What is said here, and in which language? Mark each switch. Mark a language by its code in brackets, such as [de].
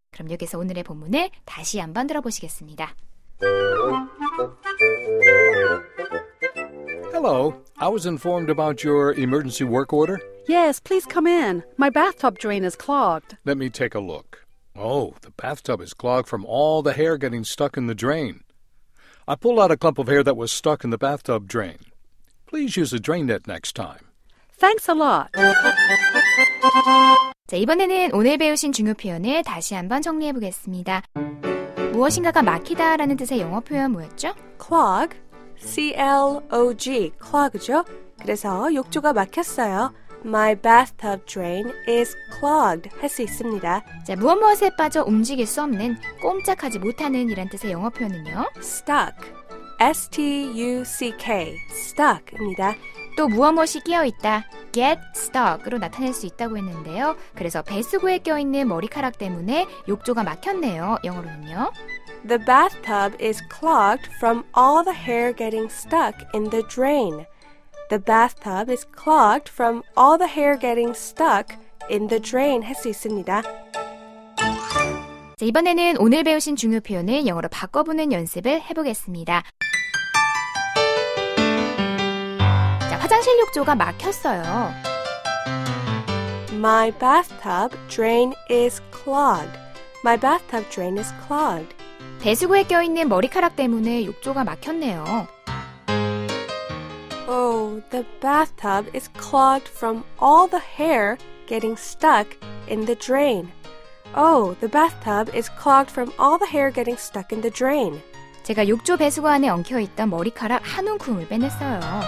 [ko] 그럼 여기서 오늘의 본문을 다시 한번 들어보시겠습니다. [en] Hello. I was informed about your emergency work order. Yes, please come in. My bathtub drain is clogged. Let me take a look. Oh, the bathtub is clogged from all the hair getting stuck in the drain. I pulled out a clump of hair that was stuck in the bathtub drain. Please use a drain net next time. Thanks a lot. [ko] 자, 이번에는 오늘 배우신 중요 표현을 다시 한번 정리해 보겠습니다. 무엇인가가 막히다라는 뜻의 영어 표현 뭐였죠? [en] Clog. C-L-O-G. Clog이죠. [ko] 그래서 욕조가 막혔어요. [en] My bathtub drain is clogged [ko] 할 수 있습니다. 자, 무엇무엇에 빠져 움직일 수 없는 꼼짝하지 못하는 이란 뜻의 영어 표현은요? [en] Stuck. S-T-U-C-K. [ko] Stuck입니다. 또 무엇무엇이 끼어있다. Get stuck으로 나타낼 수 있다고 했는데요. 그래서 배수구에 껴있는 머리카락 때문에 욕조가 막혔네요. 영어로는요? [en] The bathtub is clogged from all the hair getting stuck in the drain. The bathtub is clogged from all the hair getting stuck in the drain [ko] 할 수 있습니다. 자, 이번에는 오늘 배우신 중요 표현을 영어로 바꿔보는 연습을 해보겠습니다. 자, 화장실 욕조가 막혔어요. [en] My bathtub drain is clogged. My bathtub drain is clogged. [ko] 배수구에 껴있는 머리카락 때문에 욕조가 막혔네요. [en] Oh, the bathtub is clogged from all the hair getting stuck in the drain. Oh, the bathtub is clogged from all the hair getting stuck in the drain. [ko] 제가 욕조 배수구 안에 엉켜있던 머리카락 한 움큼을 빼냈어요.